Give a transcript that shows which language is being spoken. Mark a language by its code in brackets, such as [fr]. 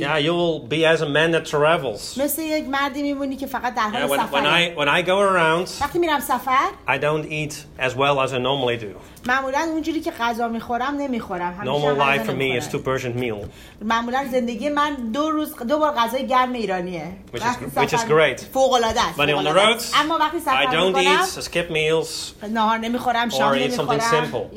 [en] Yeah, you will be as a man that travels. [fa] مثل یک مردی میمونی که فقط در حال سفر. [en] When I go around. [fa] وقتی میرم سفر. [en] I don't eat as well as I normally do. [fa] معمولاً اونجوری که غذا میخورم نمیخورم. [en] Normal life for me is two Persian meal. [fa] معمولاً زندگی من دو بار غذای گرم ایرانیه. [en] Which is great. [fa] فوق‌العاده است. [en] But on the road. [fa] اما وقتی سفر میکنم. [en] I don't eat. I skip meals. [fa] نهار نمیخورم. شام نمیخورم. [en] Or eat something simple.